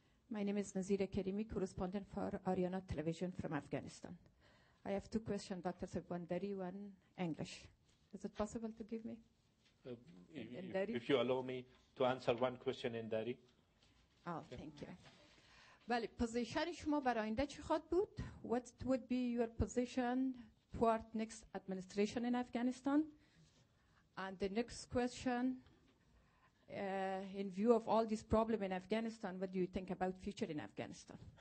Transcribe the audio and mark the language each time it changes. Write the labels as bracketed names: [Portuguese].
[English] My name is Nazira Karimi, correspondent for Ariana Television from Afghanistan. I have two questions, Dr. Sabandari, one English. Is it possible to give me? If you allow me to answer one question in Dari. Oh, thank you. Well, position [Persian] شما برای آینده چی خواهد بود? [English] What would be your position toward next administration in Afghanistan? And the next question, in view of all this problem in Afghanistan, what do you think about future in Afghanistan?